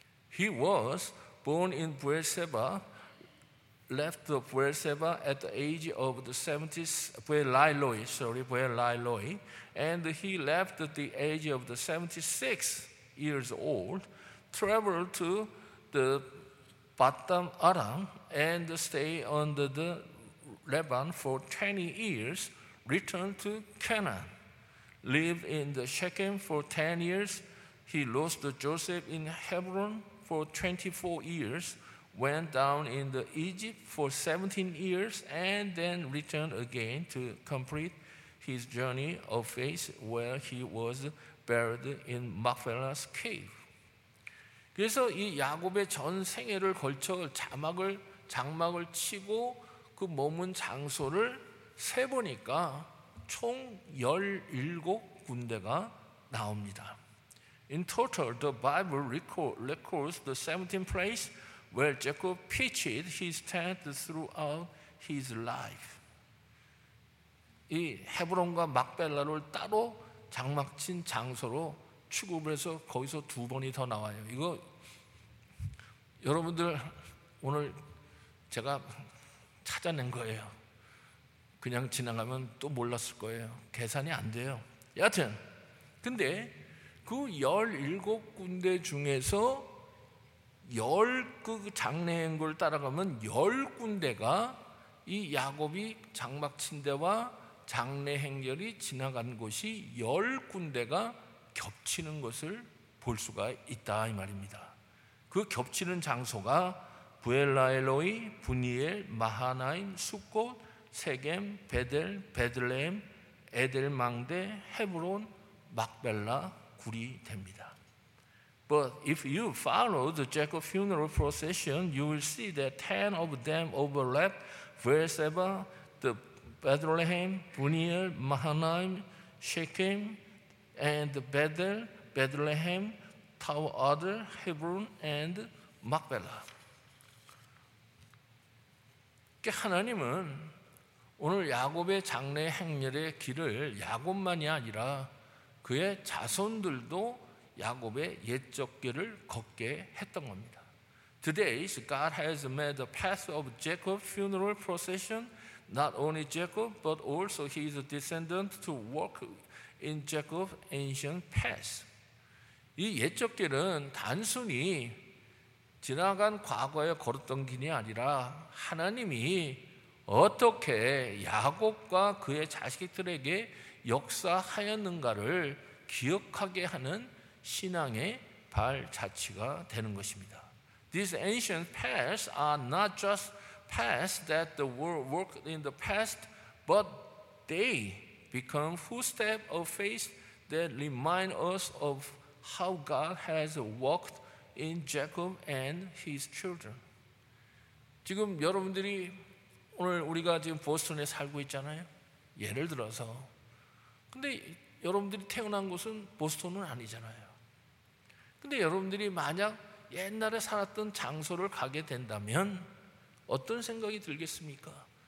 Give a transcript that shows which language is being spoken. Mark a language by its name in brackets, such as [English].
[English] He was born in Beersheba, left the Beersheba at the age of the 70s, Beer Lahai-Roi, and he left at the age of the 76 years old, traveled to the Paddan Aram, and stayed under the Laban for 20 years, returned to Canaan, lived in the Shechem for 10 years. He lost Joseph in Hebron for 24 years, went down in the Egypt for 17 years and then returned again to complete his journey of faith where he was buried in Machpelah's cave. [Korean] 그래서 이 야곱의 전 생애를 걸쳐 자막을 장막을 치고 그 머문 장소를 세 보니까 총 17 군데가 나옵니다. [English] In total, the Bible records the 17th place where Jacob pitched his tent throughout his life. [Korean] 이 헤브론과 막벨라를 따로 장막 친 장소로 취급을 해서 거기서 두 번이 더 나와요. 이거 여러분들 오늘 제가 찾아낸 거예요. 그냥 지나가면 또 몰랐을 거예요. 계산이 안 돼요. 여하튼 근데 그 17군데 중에서 열 그 장래인 걸 따라가면 10군데가 이 야곱이 장막 친 데와 장래 행렬이 지나간 곳이 10군데가 겹치는 것을 볼 수가 있다 이 말입니다. 그 겹치는 장소가 부엘라엘로이, 부니엘, 마하나임, 숫곳, 세겜, 베델, 베들레헴, 에델망대, 헤브론, 막벨라, 굴이 됩니다. [English] But if you follow the Jacob funeral procession, you will see that 10 of them overlap Beersheba, the Bethlehem, Buniel, Mahanaim, Shechem, and Bethel, Bethlehem, Tower Adar, Hebron, and Machpelah. [Korean] 하나님은 오늘 야곱의 장래 행렬의 길을 야곱만이 아니라 그의 자손들도 야곱의 옛적 길을 걷게 했던 겁니다. [English] Today, God has made the path of Jacob's funeral procession, not only Jacob, but also his descendant to walk in Jacob's ancient path. [Korean] 이 옛적 길은 단순히 지나간 과거에 걸었던 길이 아니라 하나님이 어떻게 야곱과 그의 자식들에게 역사하였는가를 기억하게 하는 신앙의 발자취가 되는 것입니다. [English] These ancient paths are not just paths that the world worked in the past, but they become footsteps of faith that remind us of how God has walked in Jacob and his children. [Korean] 지금 여러분들이 오늘 우리가 지금 보스턴에 살고 있잖아요. 예를 들어서 근데 여러분들이 태어난 곳은 보스턴은 아니잖아요. 근데 여러분들이 만약 옛날에 살았던 장소를 가게 된다면 어떤 생각이 들겠습니까?